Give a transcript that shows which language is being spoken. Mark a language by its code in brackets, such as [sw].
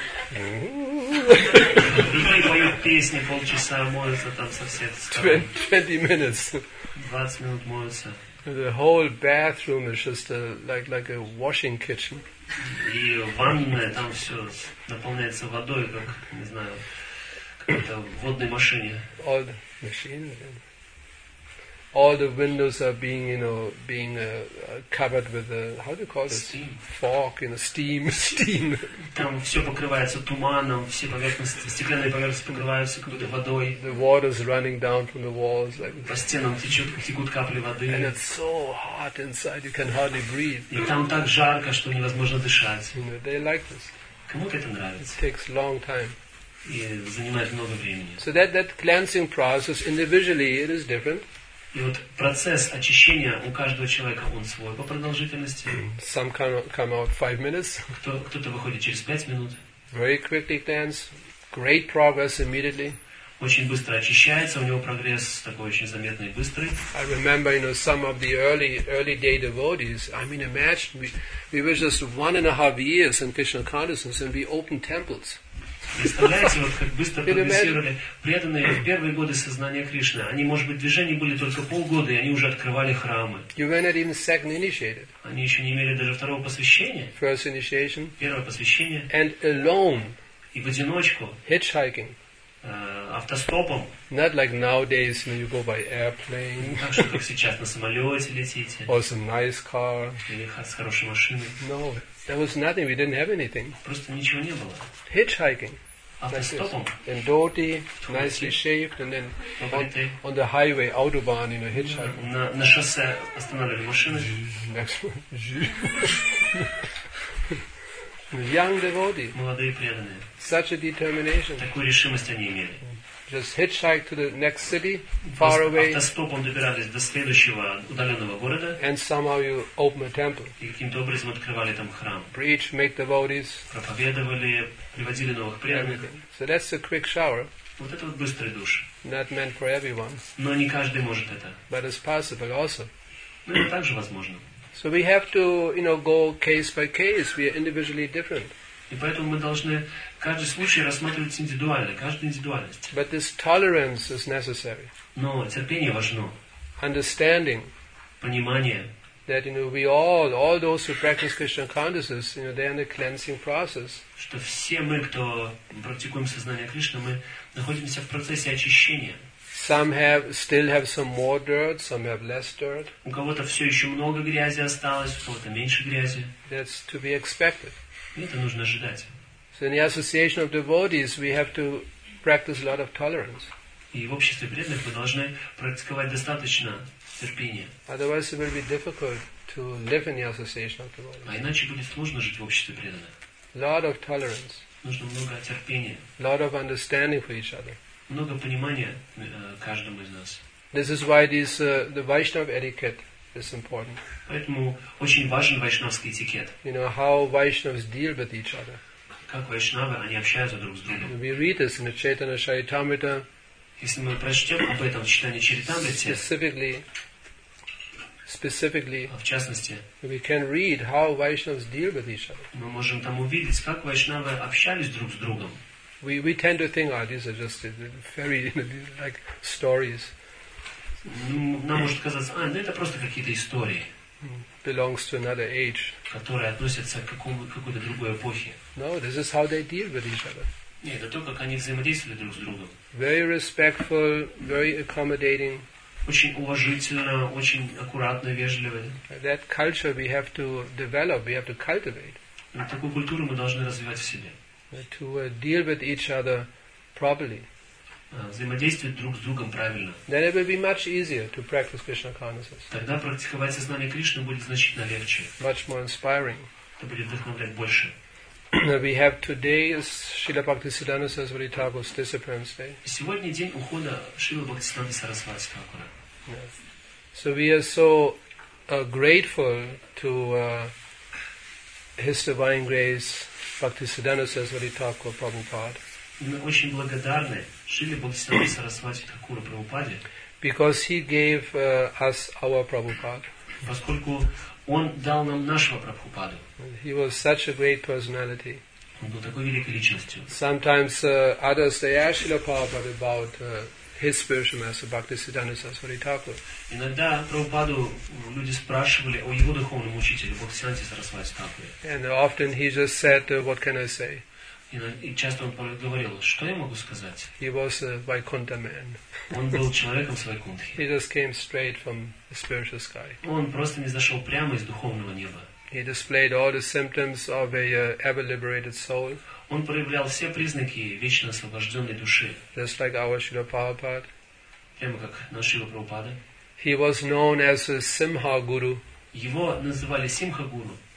[ru] Другие поют песни полчаса, моются там со всех сторон. [en] 20 minutes. [ru] 20 минут моются. [en] The whole bathroom is just a, like a washing kitchen. [ru] И ванная там все наполняется водой, как не знаю, какой-то водной машине. [en] All the machines. All the windows are being, you know, being covered with a, how do you call this? Steam. Fog, you know, steam. [ru] Там все покрывается туманом, все поверхности, стеклянные поверхности покрываются какой-то водой. [en] The water is running down from the walls. Like, [ru] по стенам текут капли воды. [en] And it's so hot inside, you can hardly breathe. [ru] И там так жарко, что невозможно дышать. [en] You know, they like this. [ru] Кому это нравится? [en] It takes long time. [ru] И занимает много времени. [en] So that cleansing process, individually, it is different. [ru] И вот процесс очищения у каждого человека, он свой по продолжительности. [en] Some come out 5 minutes. [ru] Кто-то выходит через 5 минут. [en] Very quickly cleanse. Great progress immediately. [ru] Очень быстро очищается, у него прогресс такой очень заметный и быстрый. [en] I remember, you know, some of the early day devotees. I mean, imagine, we were just 1.5 years in Krishna consciousness and we opened temples. [ru] Представляете, вот как быстро прогрессировали преданные в первые годы сознания Кришны. Они, может быть, в движении были только полгода, и они уже открывали храмы. Они еще не имели даже второго посвящения. [en] First initiation. [ru] Первое посвящение. [en] And alone. [ru] И в одиночку. [en] Hitchhiking. [ru] Автостопом. [en] Not like nowadays, when you go by airplane. [ru] Так что, как сейчас, на самолете летите. [en] Or some nice car. [ru] Или с хорошей машиной. [en] No. There was nothing. We didn't have anything. [ru] Просто ничего не было. [en] Hitchhiking. [ru] Автостопом. [en] Like and dirty, nicely shaved, and then on the highway, autobahn, you know, hitchhiking. [ru] На шоссе останавливали машины. [en] Next one. Young devotee. [ru] Молодые преданные. [en] Such a determination. [ru] Такую решимость они имели. [en] Just hitchhike to the next city, far away. [ru] Автостопом добирались до следующего удаленного города. [en] And somehow you open a temple. [ru] И каким-то образом открывали там храм. [en] Preach, make devotees. [ru] Проповедовали, приводили новых преданных. [en] So that's a quick shower. [ru] Вот это вот быстрый душ. [en] Not meant for everyone. [ru] Но не каждый может это. [en] But it's possible also. [ru] Но это также возможно. [en] So we have to, you know, go case by case. We are individually different. [ru] И поэтому мы должны каждый случай рассматривать индивидуально, каждую индивидуальность. [en] But this tolerance is necessary. [ru] Но терпение важно. [en] Understanding. [ru] Понимание. [en] That, you know, we all those who practice Krishna consciousness, you know, they are in the cleansing process. [ru] Что все мы, кто практикуем сознание Кришны, мы находимся в процессе очищения. [en] Some have still have some more dirt, some have less dirt. [ru] У кого-то все еще много грязи осталось, у кого-то меньше грязи. [en] That's to be expected. [ru] Это нужно ожидать. [en] So in the association of devotees, we have to practice a lot of tolerance. [ru] И в обществе преданных мы должны практиковать достаточно терпения. [en] Otherwise, it will be difficult to live in the association of devotees. [ru] А иначе будет сложно жить в обществе преданных. [en] Lot of tolerance. [ru] Нужно много терпения. [en] Lot of understanding for each other. [ru] Много понимания каждому из нас. [en] This is why the Vaishnava etiquette. It's important. [ru] Поэтому очень важен вайшнавский этикет. [en] You know how Vaishnavas deal with each other. [ru] Как вайшнавы, они общаются друг с другом. [en] We read this in the Chaitanya Charitamrita. [ru] Если мы прочтем об этом в Читании Чаритамрите. [en] Specifically. [ru] В частности. [en] We can read how Vaishnavas deal with each other. [ru] Мы можем там увидеть, как вайшнавы общались друг с другом. [en] We tend to think, oh, these are just very, you know, like stories. [ru] Нам может казаться, ну это просто какие-то истории. [en] belongs to another age. [ru] Которые относятся к какой-то другой эпохе. [en] No, this is how they deal with each other. [ru] Нет, это то, как они взаимодействовали друг с другом. [en] Very respectful, very accommodating. [ru] Очень уважительно, очень аккуратно, вежливо. [en] That culture we have to develop, we have to cultivate. [ru] И такую культуру мы должны развивать в себе. [en] To deal with each other properly. [ru] Взаимодействовать друг с другом правильно. [en] Then it will be much easier to practice Krishna consciousness. [ru] Тогда практиковать сознание Кришны будет значительно легче. [en] Much more inspiring. [ru] Это будет вдохновлять больше. [en] We have today is Srila Bhaktisiddhanta Saraswati Thakur's disappearance day. [ru] Сегодня день ухода Шрилы Бхактисиддханты Сарасвати Такура. [en] So we are so grateful to His Divine Grace Bhaktisiddhanta Saraswati Thakur Prabhupada. [ru] Мы очень благодарны Шриле Бхактисиддханте Сарасвати Такуру Прабхупаде. [en] Because he gave us our Prabhupada. [ru] Поскольку он дал нам нашего Прабхупаду. [en] He was such a great personality. [ru] Он был такой великой личностью. [en] Sometimes others they ask Srila Prabhupada about his spiritual master Bhaktisiddhanta Saraswati Thakur. [ru] Иногда Прабхупаду люди спрашивали о его духовном учителе Бхактисиддханте Сарасвати Такуре. [en] And often he just said, "What can I say?" [ru] И часто он говорил, что я могу сказать? [en] He was a Vaikuntha man. [ru] Он был человеком с Вайкунтхи. [en] He just came straight from the spiritual sky. [ru] Он просто не зашел прямо из духовного неба. [en] He displayed all the symptoms of a ever liberated soul. [ru] Он проявлял все признаки вечно освобожденной души. [en] Just like our Srila Prabhupada. [ru] Прямо как наш Шрила Прабхупада. [en] He was known as a Simha Guru. [ru] Его называли Симха Гуру.